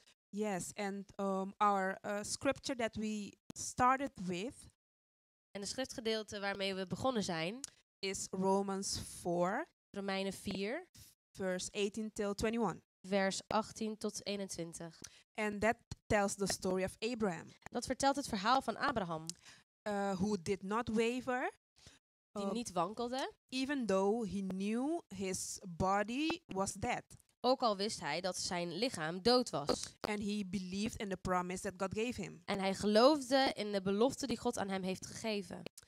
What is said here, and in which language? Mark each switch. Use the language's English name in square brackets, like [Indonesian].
[English] Yes, and our scripture that we started with. [Dutch] En het schriftgedeelte waarmee we begonnen zijn. [English] Is Romans 4. [Dutch] Romeinen 4. [English] Verse 18 till 21. [Dutch] Vers 18 tot 21. [English] And that tells the story of Abraham. [Dutch] Dat vertelt het verhaal van Abraham. [English] Who did not waver. [Dutch] Die niet wankelde. [English] Even though he knew his body was dead. [Dutch] Ook al wist hij dat zijn lichaam dood was. [English] And he believed in the promise that God gave him. [Dutch] En hij geloofde in de belofte die God aan hem heeft gegeven.